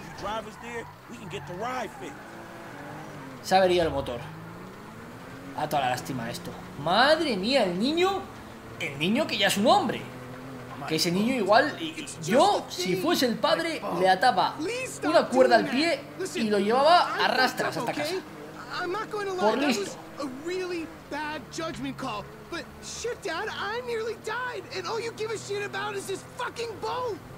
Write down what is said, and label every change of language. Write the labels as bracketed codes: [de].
[en] You drive us there, we can get the ride fixed. [es] Se avería el motor. A toda la lástima esto. Madre mía, el niño que ya es un hombre. Que ese niño igual, yo, si fuese el padre, le ataba una cuerda al pie y lo llevaba a rastras hasta casa. Por listo. [en] A really bad judgment call, but shit, Dad, I nearly died, and all you give a shit about is this fucking boat.